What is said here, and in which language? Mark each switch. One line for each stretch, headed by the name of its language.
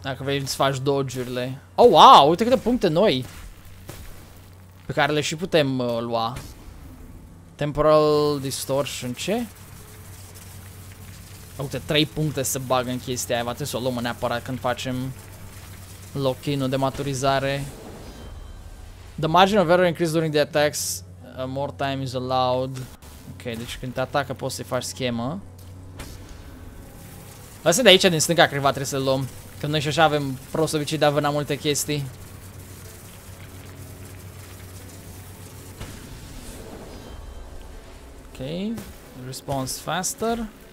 Romanian: Dacă vrei să faci dodge-urile. Oh, wow, uite câte puncte noi. Pe care le și putem lua. Temporal distortion, ce? Uite, 3 puncte se bagă în chestia aia. Va trebui să o luăm neapărat când facem lock-in-ul de maturizare.
English: The margin of error increased during the attacks, more time is allowed.
Romanian: Ok, deci când te atacă poți să-i faci schemă. Asta de aici, din stânga, cred că trebuie să-l luăm. Că noi și așa avem prost obicei de a vâna multe chestii.
English: Ok, response faster.